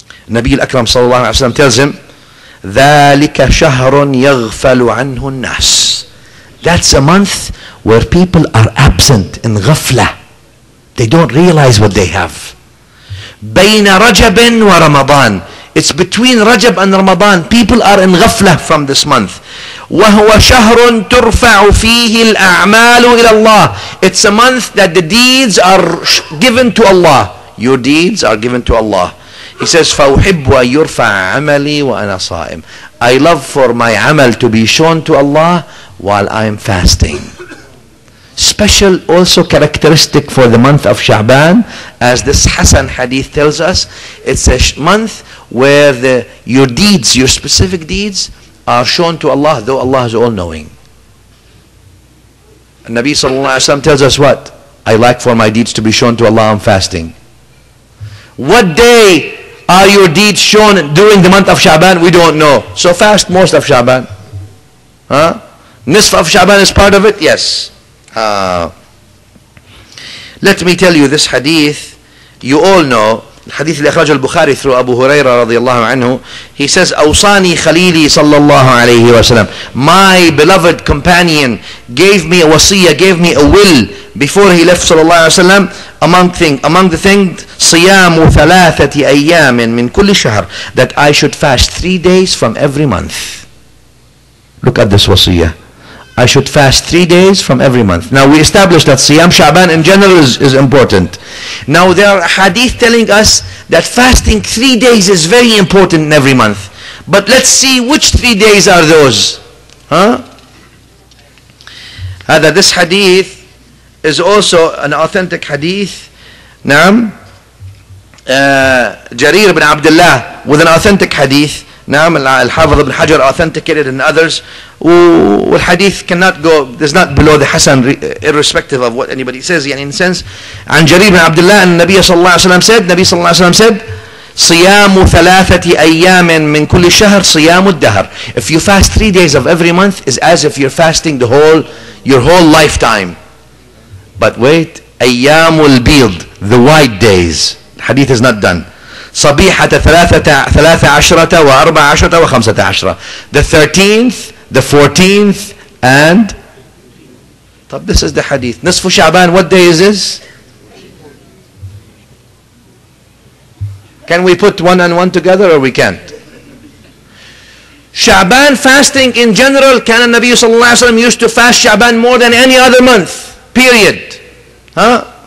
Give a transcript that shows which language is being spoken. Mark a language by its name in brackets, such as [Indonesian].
[English] Nabi al-Akram sallallahu alayhi wa sallam tells him, [Arabic] Thalika shahrun yaghfalu anhu an-nas. [English] That's a month where people are absent in ghafla. They don't realize what they have. [Arabic] بين رجب ورمضان. [English] It's between Rajab and Ramadan. People are in ghafla from this month. [Arabic] وهو شهر ترفع فيه الأعمال إلى الله. [English] It's a month that the deeds are given to Allah. Your deeds are given to Allah. He says, [Arabic] فأحب أن يرفع عملي وأنا صائم. [English] I love for my amal to be shown to Allah while I am fasting. Special also characteristic for the month of Sha'ban, as this Hassan hadith tells us, it's a month where your deeds, your specific deeds, are shown to Allah, though Allah is all-knowing. And Nabi sallallahu alayhi wa sallam tells us what? I like for my deeds to be shown to Allah, I'm fasting. What day are your deeds shown during the month of Sha'ban? We don't know. So fast most of Sha'ban. Huh? Nisf of Sha'ban is part of it? Yes. Let me tell you this hadith. You all know [Arabic] الحديث اللي أخرجه البخاري [English] through [Arabic] أبو هريرة رضي الله عنه. [English] He says, [Arabic] أوصاني خليلي صلى الله عليه وسلم, [English] my beloved companion gave me a wasiyya, gave me a will before he left [Arabic] صلى الله عليه وسلم. [English] Among the things, [Arabic] صيام ثلاثة أيام من كل شهر, [English] that I should fast 3 days from every month. Look at this wasiyya. I should fast 3 days from every month. Now we established that Siyam Sha'ban in general is important. Now there are hadith telling us that fasting 3 days is very important in every month. But let's see which 3 days are those. Huh? This hadith is also an authentic hadith. Naam. Jarir ibn Abdullah with an authentic hadith. [Arabic] نعم الحافظ ابن حجر [English] authenticated and others, والحديث cannot go, does not below the Hassan irrespective of what anybody says. [Arabic] يعني [English] in sense, [Arabic] عن جرير بن عبد الله أن النبي صلى الله عليه وسلم said, النبي صلى الله عليه وسلم said, صيام ثلاثة أيام من كل شهر صيام الدهر. [English] If you fast 3 days of every month is as if you're fasting the whole, your whole lifetime. But wait, أيام البيض, the white days. الحديث is not done. [Arabic] صبيحة ثلاثة عشرة وأربع عشرة وخمسة عشرة. [English] The 13th, the 14th, and طب this is the hadith. نصف شعبان, what day is this? Can we put one and one together or we can't? شعبان fasting in general, [Arabic] كان النبي صلى الله عليه وسلم [English] used to fast شعبان more than any other month. Period. Huh?